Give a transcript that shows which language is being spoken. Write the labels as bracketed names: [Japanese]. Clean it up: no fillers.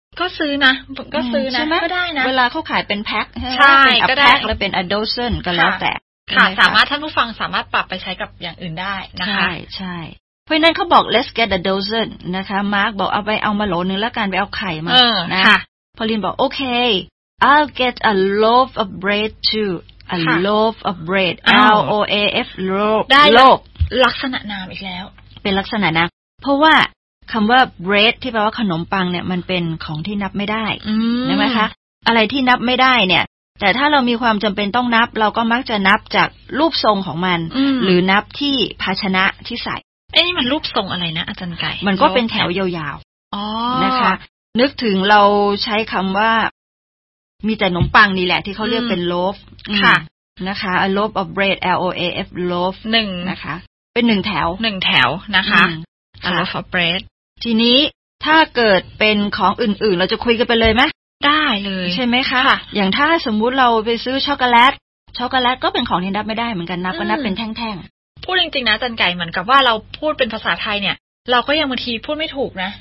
[Thai] ก็ซื้อนะก็ซื้อนะก็ได้นะ เวลาเขาขายเป็นแพ็ค ใช่ไหม เป็นแพ็คแล้วเป็น a dozen ก็แล้วแต่ ค่ะสามารถท่านผู้ฟังสามารถปรับไปใช้กับอย่างอื่นได้นะคะ ใช่ใช่เพราะนั้นเขาบอก [English] let's get a dozen [Thai] นะคะมาร์กบอกเอาไปเอามาโหลนึงแล้วกันไปเอาไข่มาน ะ พอลินบอกโอเค [English] I'll get a loaf of bread too a loaf of bread L O A F loaf [Thai] ได้ loaf ลักษณะนามอีกแล้ว เป็นลักษณะนามเพราะว่าคำว่า bread ที่แปลว่าขนมปังเนี่ยมันเป็นของที่นับไม่ได้ใช่ไหมคะอะไรที่นับไม่ได้เนี่ยแต่ถ้าเรามีความจำเป็นต้องนับเราก็มักจะนับจากรูปทรงของมันหรือนับที่ภาชนะที่ใส่นี่มันรูปทรงอะไรนะอาจารย์ไก่มันก็เป็นแถวยาวๆนะคะนึกถึงเราใช้คำว่ามีแต่ขนมปังนี่แหละที่เขาเรียกเป็น loaf ค่ะ นะคะ [English] a loaf of bread L O A F loaf [Thai] หนึ่ง นะคะเป็นหนึ่งแถว หนึ่งแถวนะคะ [English] a loaf of bread [Thai] ทีนี้ถ้าเกิดเป็นของอื่นๆเราจะคุยกันไปเลยไหม ได้เลย ใช่ไหมคะ ค่ะ อย่างถ้าสมมุติเราไปซื้อช็อกโกแลตช็อกโกแลตก็เป็นของที่นับไม่ได้เหมือนกันนับก็นับเป็นแท่ง ๆพูดจริงๆนะจันไก่เหมือนกับว่าเราพูดเป็นภาษาไทยเนี่ยเราก็ยังบางทีพูดไม่ถูกนะ